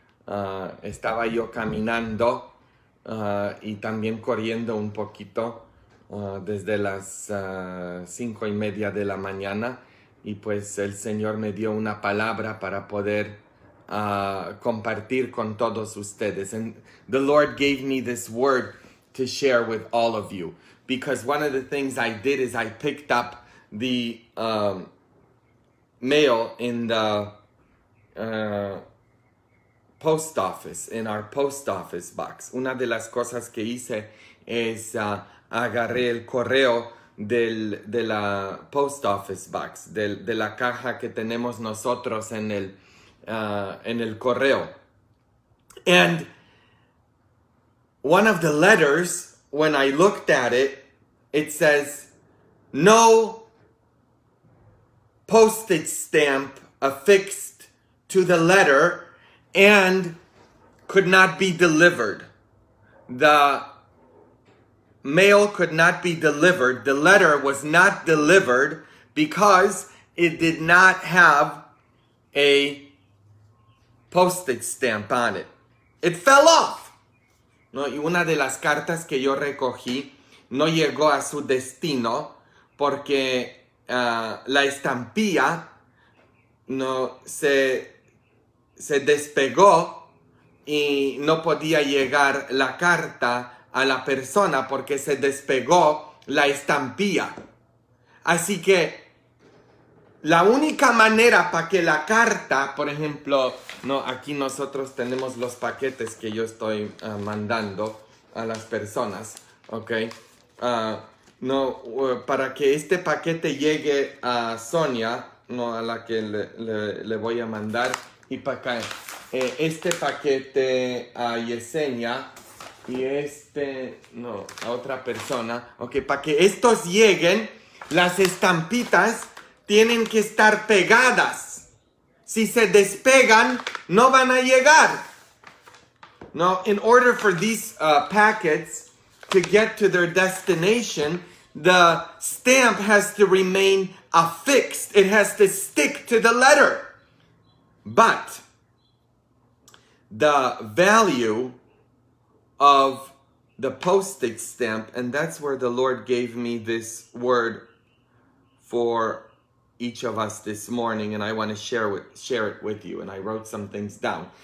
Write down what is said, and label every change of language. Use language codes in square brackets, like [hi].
[es] Estaba yo caminando y también corriendo un poquito desde las 5:30 de la mañana y pues el Señor me dio una palabra para poder compartir con todos ustedes. [en] And the Lord gave me this word to share with all of you because one of the things I did is I picked up the mail in the post office, in our post office box. [es] Una de las cosas que hice es agarré el correo de la post office box, de la caja que tenemos nosotros en el correo. [en] And one of the letters, when I looked at it says, no postage stamp affixed to the letter and could not be delivered. The mail could not be delivered. The letter was not delivered because it did not have a postage stamp on it. It fell off. [es] No, y una de las cartas que yo recogí no llegó a su destino porque la estampilla no se despegó y no podía llegar la carta a la persona porque se despegó la estampilla. Así que la única manera para que la carta, por ejemplo, no, aquí nosotros tenemos los paquetes que yo estoy mandando a las personas, ¿ok? No, para que este paquete llegue a Sonia, no a la que le voy a mandar. Y para acá, este paquete a Yesenia y este, no, a otra persona. Ok, para que estos lleguen, las estampitas tienen que estar pegadas. Si se despegan, no van a llegar. [en] Now, in order for these packets to get to their destination, the stamp has to remain affixed. It has to stick to the letter. But the value of the postage stamp, and that's where the Lord gave me this word for each of us this morning, and I want to share it with you, and I wrote some things down.